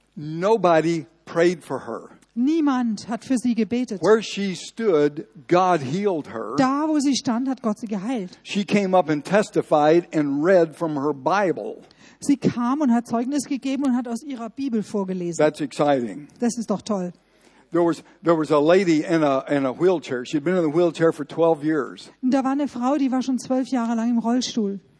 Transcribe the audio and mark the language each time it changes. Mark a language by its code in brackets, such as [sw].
[en] Nobody prayed for her. [de] Niemand hat für sie gebetet. [en] Where she stood, God healed her. [de] Da, wo sie stand, hat Gott sie geheilt. [en] She came up and testified and read from her Bible. [de] Sie kam und hat Zeugnis gegeben und hat aus ihrer Bibel vorgelesen. [en] That's exciting. [de] Das ist doch toll. [en] There was a lady in a wheelchair. She'd been in the wheelchair for 12 years. [de] Da war eine Frau, die war schon 12 Jahre lang im Rollstuhl.